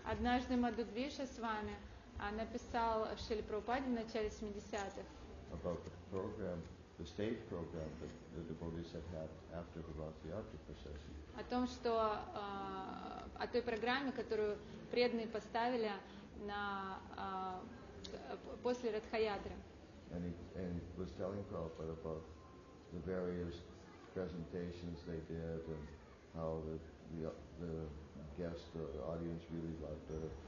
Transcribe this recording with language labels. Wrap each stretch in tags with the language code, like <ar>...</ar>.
<ru>Однажды Мадхудвиша с вами написал Шриле Прабхупаде в начале 70-х.</ru> <en>About the program, the stage program that the devotees had after the Rath Yatra procession.</en> <ru>О том, что о той программе, которую преданные поставили на после Радхаятры.</ru> <en>And he was telling Prabhupada about the various presentations they did and how the guest, the audience really loved her.</en>